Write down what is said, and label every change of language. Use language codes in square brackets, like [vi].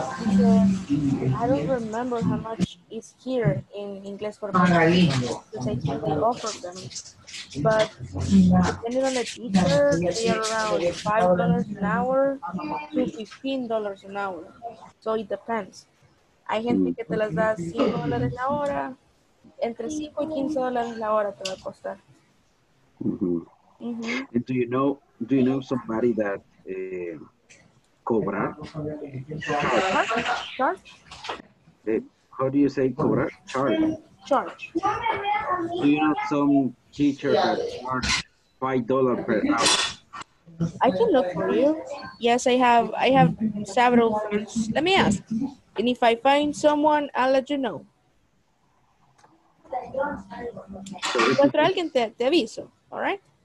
[en] Because I don't remember how much is here in Inglés Corporativo, because I think they offer them. But depending on the teacher, they are around $5 an hour to $15 an hour. So it depends. [es] Hay gente que te las da $5 [en] an hour. [es] Entre 5 y 15 dólares la hora te va a costar. [en] Mm-hmm. And do you know somebody that cobra? Charge? How do you say cobra? Charge. Do you know some teacher that charge $5 per hour? I can look for you. Yes, I have several friends. Let me ask. And if I find someone, I'll let you know. [es] Si encuentro a alguien, te aviso, [en] all right?